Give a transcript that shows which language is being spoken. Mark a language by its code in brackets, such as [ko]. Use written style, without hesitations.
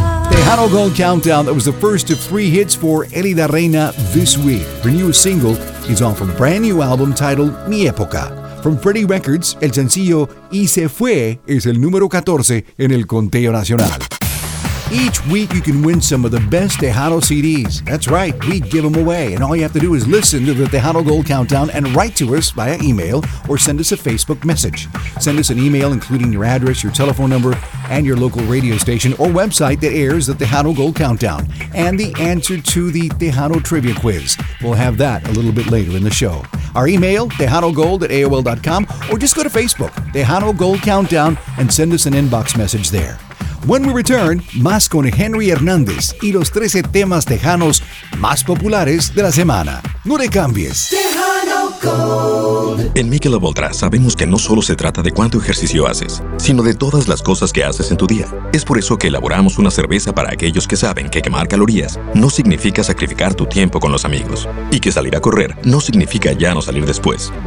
[en] Tejano Gold Countdown, that was the first of three hits for Eddie La Reina this week. Her newest single is off a brand new album titled Mi Época. From [es] Freddie Records, el sencillo Y Se Fue [en] is [es] el número 14 en el conteo nacional. [en] Each week you can win some of the best Tejano CDs. That's right, we give them away. And all you have to do is listen to the Tejano Gold Countdown and write to us via email or send us a Facebook message. Send us an email including your address, your telephone number, and your local radio station or website that airs the Tejano Gold Countdown. And the answer to the Tejano Trivia Quiz. We'll have that a little bit later in the show. Our email, TejanoGold@AOL.com, or just go to Facebook, Tejano Gold Countdown, and send us an inbox message there. When we return, [es] más con Henry Hernández y los 13 temas tejanos más populares de la semana. ¡No le cambies! [en] Tejano Gold. [es] En Michelob Ultra sabemos que no solo se trata de cuánto ejercicio haces, sino de todas las cosas que haces en tu día. Es por eso que elaboramos una cerveza para aquellos que saben que quemar calorías no significa sacrificar tu tiempo con los amigos y que salir a correr no significa ya no salir después.